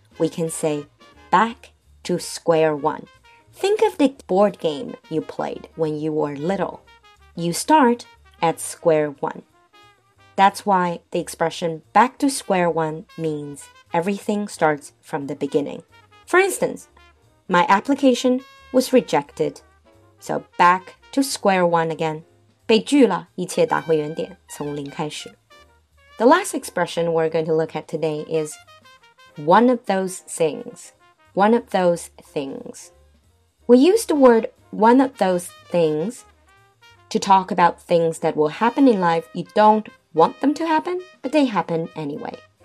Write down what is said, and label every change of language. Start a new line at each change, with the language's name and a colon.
English: we can say back to square one. Think of the board game you played when you were little. You start... at square one. That's why the expression back to square one means everything starts from the beginning. For instance, my application was rejected. So back to square one again.
Chinese: 被拒了，一切打回原点，从零开始。
English: The last expression we're going to look at today is one of those things. One of those things. We use the word one of those things,to talk about things that will happen in life you don't want them to happen, but they happen anyway.